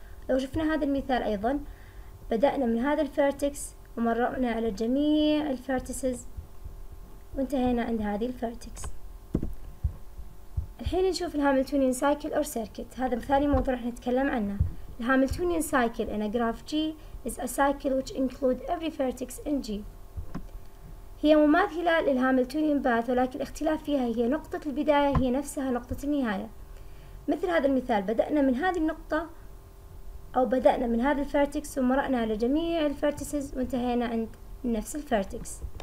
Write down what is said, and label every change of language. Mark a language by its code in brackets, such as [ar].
[ar] لو شفنا هذا المثال أيضا، بدأنا من هذا الفيرتكس ومرأنا على جميع الفيرتسز وانتهينا عند هذه الفيرتكس. الحين نشوف الهاملتونيان سايكل أو سيركت. هذا ثاني موضوع راح نتكلم عنه. [en] الهاملتونيان cycle in a graph G is a cycle which includes every vertex in G. [ar] هي مماثلة للهاملتونيان باث، ولكن الاختلاف فيها هي نقطة البداية هي نفسها نقطة النهاية. مثل هذا المثال، بدأنا من هذه النقطة أو بدأنا من هذا الفيرتكس ومرأنا على جميع الفيرتسز وانتهينا عند نفس الفيرتكس.